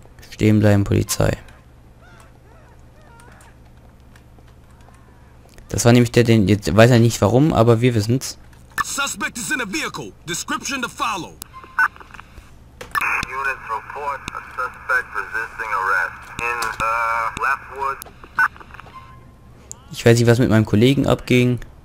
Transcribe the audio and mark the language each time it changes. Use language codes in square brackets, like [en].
[de] Stehen bleiben, Polizei. Das war nämlich der, den... Jetzt weiß er nicht warum, aber wir wissen's. [en] Suspect is in a vehicle. Description to follow. Units report a suspect resisting arrest in Leftwood. [de] Ich weiß nicht, was mit meinem Kollegen abging.